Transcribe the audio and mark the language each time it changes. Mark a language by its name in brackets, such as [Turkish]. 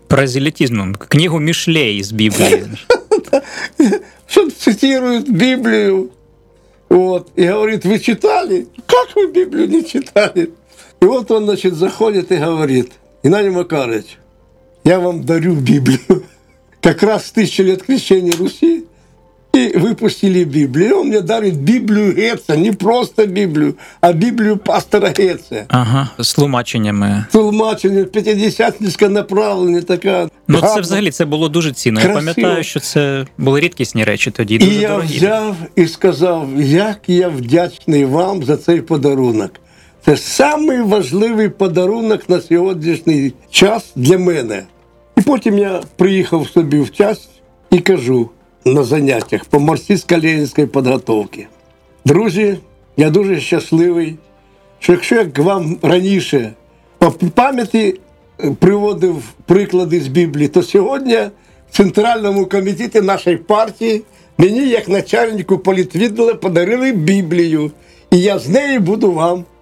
[Ukrainian] Прозелітизмом, книгу Мішлей з Біблії. Що цитують Біблію, і говорить: «Ви читали? Як ви Біблію не читали?» І він, значить, заходить і говорить: «Геннадій Макарович, я вам дарю Біблію». [Russian] Как раз 1000 лет крещения Руси, и выпустили Библию. И он мне дарит Библию Гетца, не просто Библию, а Библию пастора Гетца. Ага, с тлумаченнями. Тлумаченнями, пятидесятницкая направленная такая. Ну, это [Ukrainian] взагалі, [Russian] это было [Ukrainian] дуже цінно. Красиво. Я пам'ятаю, [Russian] что это были [Ukrainian] рідкісні речі тоді. [Russian] И я взял и сказал: [Ukrainian] «Як я вдячний вам за цей подарунок. Це самый важливий подарунок на сьогоднішній час для мене». І потім я приїхав собі в час і кажу на заняттях по марксистсько-ленінській підготовці: «Друзі, я дуже щасливий, що якщо я вам раніше по пам'яті приводив приклади з Біблії, то сьогодні в Центральному комітеті нашої партії мені, як начальнику політвідділу, подарили Біблію, і я з нею буду вам